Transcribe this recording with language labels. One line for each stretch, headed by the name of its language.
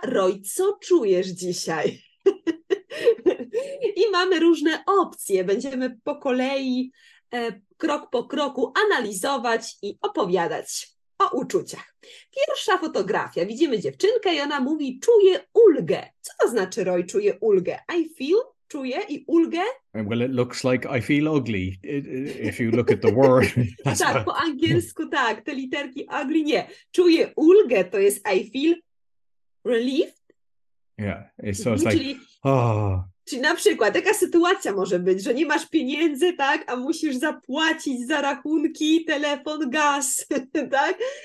Polish: Roy, co czujesz dzisiaj? I mamy różne opcje, będziemy po kolei krok po kroku analizować i opowiadać o uczuciach. Pierwsza fotografia. Widzimy dziewczynkę i ona mówi, czuję ulgę. Co to znaczy, Roy, czuję ulgę?
English: I feel,
Polish: czuję i ulgę?
English: Well, it looks like I feel ugly, if you look at the word.
Polish: Tak, po angielsku tak, te literki ugly, nie. Czuję ulgę, to jest
English: I feel relieved. Yeah, so it's like, oh.
Polish: Czyli na przykład taka sytuacja może być, że nie masz pieniędzy, tak, a musisz zapłacić za rachunki, telefon, gaz, tak?